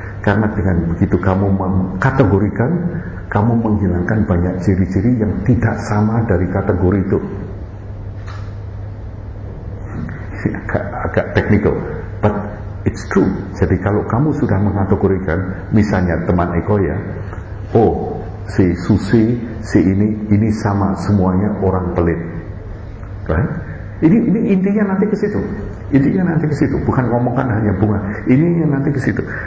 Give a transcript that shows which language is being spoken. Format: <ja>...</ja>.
<id>Karena dengan begitu kamu mengkategorikan, kamu menghilangkan banyak ciri-ciri yang tidak sama dari kategori itu. Agak</id> <en>technical, but it's true.</en> <id>Jadi kalau kamu sudah mengkategorikan, misalnya teman Eko ya, oh si Susi, si ini sama semuanya orang pelit,</id> <en>right?</en> <id>Ini intinya nanti ke situ. Intinya nanti ke situ, bukan ngomongkan hanya bunga. Ini nanti ke situ.</id>